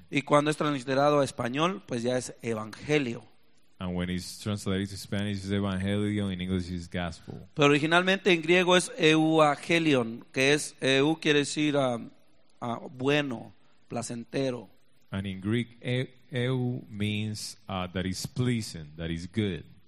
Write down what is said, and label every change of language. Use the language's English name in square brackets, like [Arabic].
[Spanish] Y cuando es transliterado a español, pues ya es evangelio. [English] And when it's translated to Spanish is evangelion, in English is gospel. [Spanish] Pero originalmente en griego es euangelion, que es eu quiere decir bueno, placentero. [English] And in Greek eu means that is pleasing, that is good.